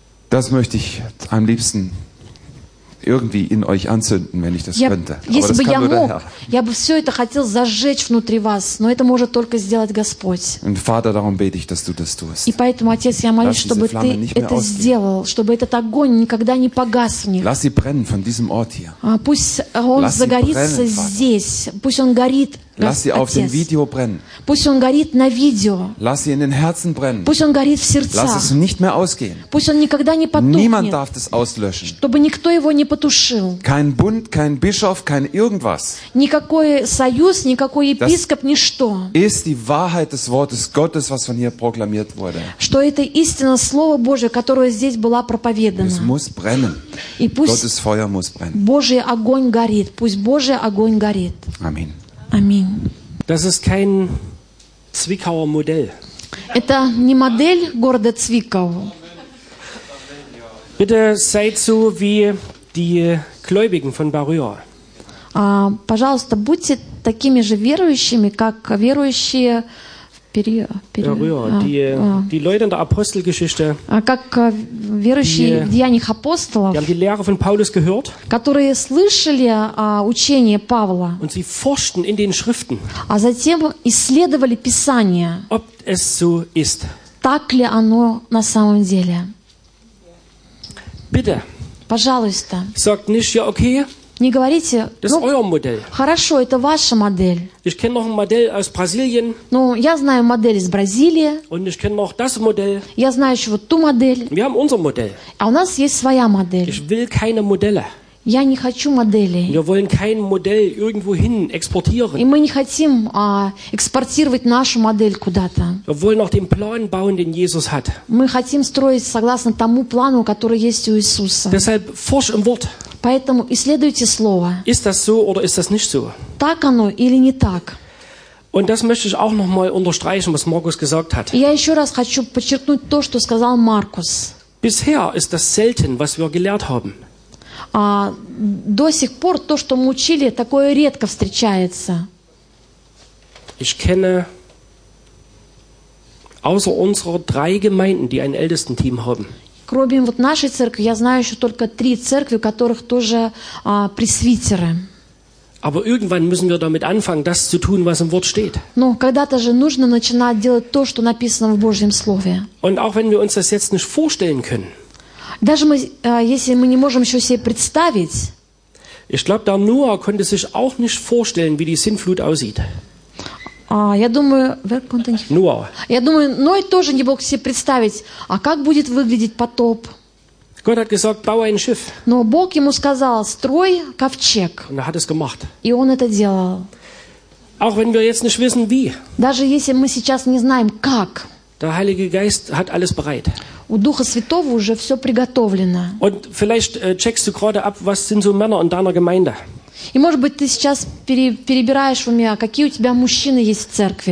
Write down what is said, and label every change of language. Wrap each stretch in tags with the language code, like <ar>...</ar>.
<de>Das möchte ich am liebsten irgendwie in euch anzünden, wenn ich das könnte.</de> <ru>Если бы я мог, я бы все это хотел зажечь внутри вас, но это может только сделать Господь.</ru> <de>Und Vater, darum bete ich, dass du das tust.</de> <ru>И поэтому, Отец, я молюсь, чтобы ты это сделал, чтобы этот огонь никогда не погас в них.</ru> <de>Lass sie brennen von diesem Ort hier.</de> <ru>Пусть он загорится здесь, пусть он горит.</ru> <de>Lass sie auf dem Video brennen.</de> <ru>Пусть он горит на видео.</ru> <de>Lass sie in den Herzen brennen.</de> <ru>Пусть он горит в сердцах.</ru> <de>Lass es nicht mehr ausgehen.</de> <ru>Пусть он никогда не потухнет.</ru> <de>Niemand darf das auslöschen.</de> <ru>Чтобы никто его не потушил.</ru> <de>Kein Bund, kein Bischof, kein irgendwas.</de> <ru>Никакой союз, никакой епископ, ничто.</ru> <de>Ist die Wahrheit des Wortes Gottes, was von hier proklamiert wurde.</de> <ru>Что это истина Слова Божьего, которое здесь была проповедана.</ru> <de>Es muss brennen.</de> <ru>И пусть</ru> <de>Gottes Feuer muss brennen.</de> <ru>Божий огонь горит. Пусть Божий огонь горит.</ru> <de>Amen.</de> <ru>Amen.</ru> <de>Das ist kein Zwickauer Modell.</de> <ru>Это не модель города Цвикау.</ru> <de>Bitte seid so wie die Gläubigen von Barrière.</de> <ru>Пожалуйста, будьте такими же верующими, как верующие в</ru> <de>Die Leute in der Apostelgeschichte.</de> <ru>Как верующие в Деяниях апостолов.</ru> <de>Die haben die Lehre von Paulus gehört.</de> <ru>Которые слышали учение Павла.</ru> <de>Und sie forschten in den Schriften.</de> <ru>А затем исследовали Писание.</ru> <de>Ob es so ist.</de> <ru>Так ли оно на самом деле?</ru> <de>Bitte.</de> <ru>Пожалуйста.</ru> <de>Sagt nicht ja okay.</de> <ru>Не говорите,</ru> <de>das ist euer Modell.</de> <ru>Хорошо, это ваша модель.</ru> <de>Ich kenne noch ein Modell aus Brasilien.</de> <ru>Ну, я знаю модель из Бразилии.</ru> <de>Und ich kenne noch das Modell.</de> <ru>Я знаю еще вот ту модель.</ru> <de>Wir haben unser Modell.</de> <ru>А у нас есть своя модель.</ru> <de>Ich will keine Modelle.</de> <ru>Я не хочу моделей.</ru> <de>Wir wollen kein Modell irgendwohin exportieren.</de> <ru>И мы не хотим экспортировать нашу модель куда-то.</ru> <de>Wir wollen auch den Plan bauen, den Jesus hat.</de> <ru>Мы хотим строить согласно тому плану, который есть у Иисуса.</ru> <de>Deshalb forsch im Wort.</de> <ru>Поэтому исследуйте слово.</ru> <de>Ist das so oder ist das nicht so?</de> <ru>Так оно или не так?</ru> <de>Und das möchte ich auch noch mal unterstreichen, was Markus gesagt hat.</de> <ru>Я еще раз хочу подчеркнуть то, что сказал Маркус.</ru> <de>Bisher ist das selten, was wir gelehrt haben.</de> <ru>До сих пор то, что мы учили, такое редко встречается.</ru> <de>Ich kenne außer unserer drei Gemeinden, die ein Ältestenteam haben.</de> <ru>Кроме вот нашей церкви, я знаю еще только три церкви, у которых тоже пресвитеры.</ru> <de>Aber irgendwann müssen wir damit anfangen, das zu tun, was im Wort steht.</de> <ru>Но когда-то же нужно начинать делать то, что написано в Божьем слове.</ru> <de>Und auch wenn wir uns das jetzt nicht vorstellen können.</de> <ru>Даже мы, если мы не можем еще себе представить.</ru> <de>Ich glaube, der Noah konnte sich auch nicht vorstellen, wie die Sintflut aussieht.</de> <ru>Я думаю, Ной тоже не мог себе представить, а как будет выглядеть потоп.</ru> <de>Gott hat gesagt, bau ein Schiff.</de> <ru>Но Бог ему сказал: строй ковчег.</ru> <de>Und er hat es gemacht.</de> <ru>И он это делал.</ru> <de>Auch wenn wir jetzt nicht wissen, wie.</de> <ru>Даже если мы сейчас не знаем, как.</ru> <de>Der Heilige Geist hat alles bereit.</de> <ru>У Духа Святого уже все приготовлено.</ru> <de>Und vielleicht checkst du gerade ab, was sind so Männer in deiner Gemeinde.</de> <ru>И, может быть, ты сейчас перебираешь в уме, какие у тебя мужчины есть в церкви.</ru>